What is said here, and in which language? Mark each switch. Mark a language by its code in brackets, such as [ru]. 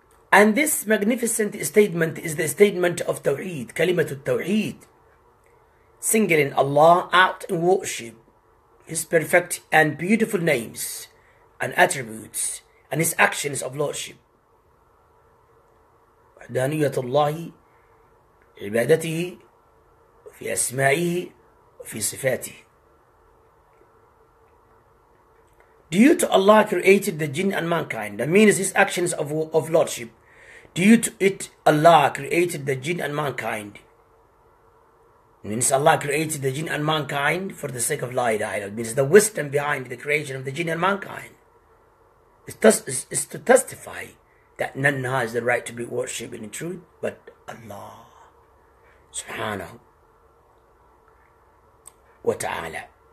[en] And this magnificent statement is the statement of Tawheed, Kalimat al-Tawheed, singling Allah out in worship, His perfect and beautiful names and attributes and His actions of lordship. [ar] وحدانية الله عبادته في أسمائه في صفاته. [en] Due to Allah created the jinn and mankind, that means His actions of lordship. Due to it, Allah created the jinn and mankind. It means Allah created the jinn and mankind for the sake of La ilaha illallah. It means the wisdom behind the creation of the jinn and mankind is to testify that none has the right to be worshipped in truth but Allah subhanahu wa ta'ala.